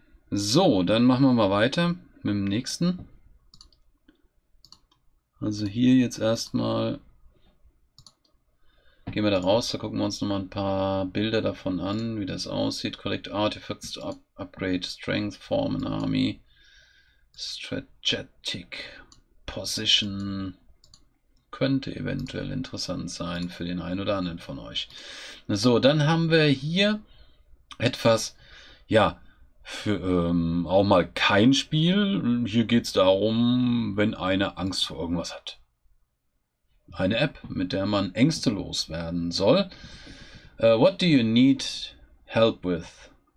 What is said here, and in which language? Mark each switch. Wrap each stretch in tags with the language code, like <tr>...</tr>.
<de>So, dann machen wir mal weiter. Mit dem nächsten. Also hier jetzt erstmal gehen wir da raus, da gucken wir uns nochmal ein paar Bilder davon an, wie das aussieht.</de> <en>Collect Artifacts to upgrade Strength, Form an Army.</en> <de>Strategic Position könnte eventuell interessant sein für den einen oder anderen von euch. So, dann haben wir hier etwas, ja. Für auch mal kein Spiel. Hier geht es darum, wenn einer Angst vor irgendwas hat. Eine App, mit der man Ängste loswerden soll.</de> <en>What do you need help with?</en>